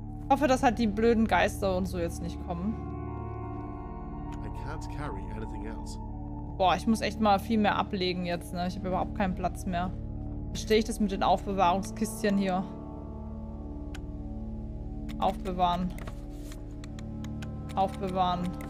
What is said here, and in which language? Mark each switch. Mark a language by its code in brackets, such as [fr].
[de] Ich hoffe, dass halt die blöden Geister und so jetzt nicht kommen. [en] I can't carry anything else. [de] Boah, ich muss echt mal viel mehr ablegen jetzt, ne? Ich habe überhaupt keinen Platz mehr. Verstehe ich das mit den Aufbewahrungskistchen hier? Aufbewahren. Aufbewahren.